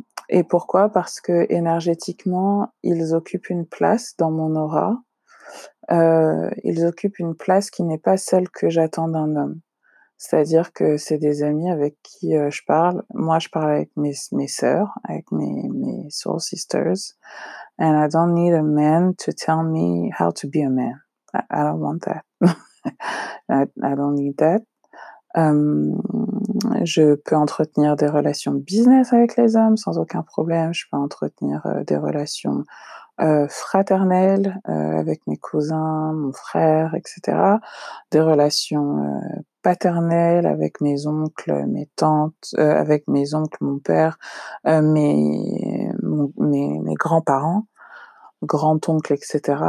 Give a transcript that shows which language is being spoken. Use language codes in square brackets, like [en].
[fr] Et pourquoi? Parce que énergétiquement, ils occupent une place dans mon aura. Ils occupent une place qui n'est pas celle que j'attends d'un homme. C'est-à-dire que c'est des amis avec qui je parle. Moi, je parle avec mes sœurs, avec mes soul sisters. [en] And I don't need a man to tell me how to be a man. I don't want that. I don't need that. [fr] Je peux entretenir des relations business avec les hommes sans aucun problème. Je peux entretenir des relations fraternelles avec mes cousins, mon frère, etc. Des relations paternelles avec mes oncles, mes tantes, avec mes oncles, mon père, mes grands-parents, grand-oncle, etc.